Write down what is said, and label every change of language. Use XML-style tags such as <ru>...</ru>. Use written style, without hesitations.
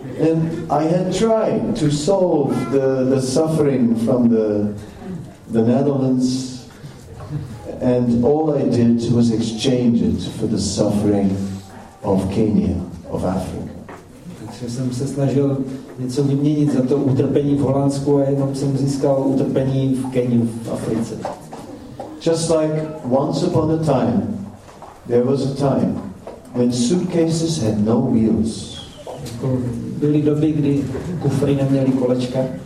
<en>And I had tried to solve the suffering from the Netherlands, and all I did was exchange it for the suffering of Kenya, of Africa.</en> <cs>Takže jsem se snažil něco vyměnit za to utrpení v Holandsku a jenom jsem získal utrpení v Keniu, v Africe.</cs> <en>Just like once upon a time, there was a time when suitcases had no wheels.</en> <cs>Byly doby, kdy kufry neměly kolečka.</cs>